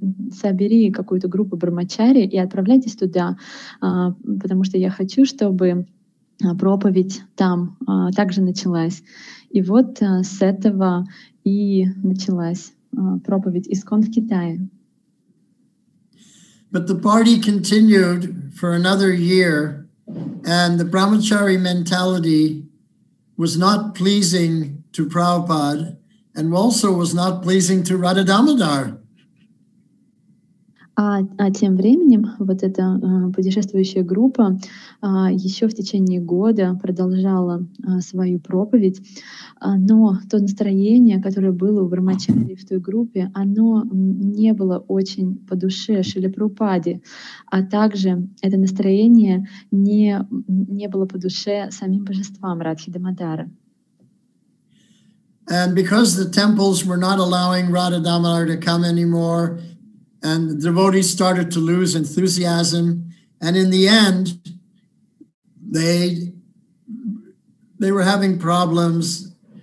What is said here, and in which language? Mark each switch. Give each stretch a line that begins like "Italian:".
Russian: Собери какую-то группу брахмачари и отправляйтесь туда, потому что я хочу, чтобы проповедь там также началась. И вот с этого и началась проповедь «Искон в Китае».
English: But the party continued for another year, and the brahmachari mentality was not pleasing to Prabhupada, and also was not pleasing to Radha Damodar.
Russian: А тем временем вот эта путешествующая группа еще в течение года продолжала свою проповедь, но то настроение, которое было у брахмачари в той группе, оно не было очень по душе Шриле Прабхупаде, а также это настроение не было по душе самим божествам Радхи Дамодара.
English: And because the temples were not allowing Radha Damodar to come anymore, and the devotees started to lose enthusiasm, and in the end, they were having problems.